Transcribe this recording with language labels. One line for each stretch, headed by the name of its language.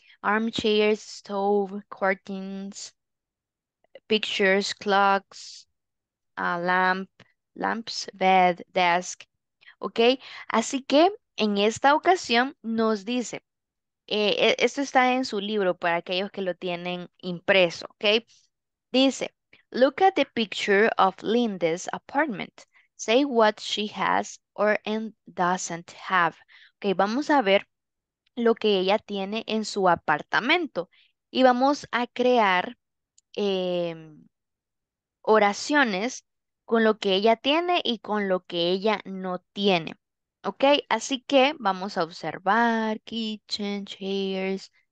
English: Armchairs, stove, curtains, pictures, clocks, lamps, bed, desk, ¿ok?
Spanish: Así que en esta ocasión nos dice, esto está en su libro para aquellos que lo tienen impreso, ¿ok?
English: Dice, look at the picture of Linda's apartment. Say what she has or and doesn't have.
Spanish: Ok, vamos a ver lo que ella tiene en su apartamento. Y vamos a crear oraciones con lo que ella tiene y con lo que ella no tiene. Ok, así que vamos a observar. Kitchen, chairs.